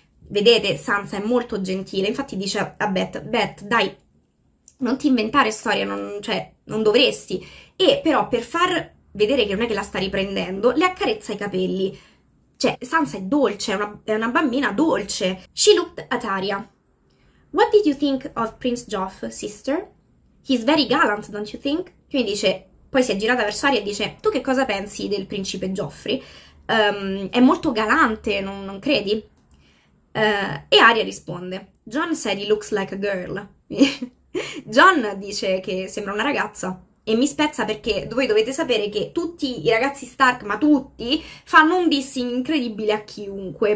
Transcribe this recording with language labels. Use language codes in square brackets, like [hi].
[it] Vedete, Sansa è molto gentile. Infatti dice a Beth, dai, non ti inventare storie, cioè, non dovresti. E però, per far vedere che non è che la sta riprendendo, le accarezza i capelli. Cioè, Sansa è dolce, è una bambina dolce. [en] She looked at Arya. What did you think of Prince Joff, sister? He's very gallant, don't you think? [it] Quindi dice, poi si è girata verso Arya e dice, tu che cosa pensi del principe Joffrey? È molto galante, non credi? E Arya risponde, [en] John said he looks like a girl. [it] John dice che sembra una ragazza e mi spezza perché voi dovete sapere che tutti i ragazzi Stark, ma tutti, fanno un dissing incredibile a chiunque.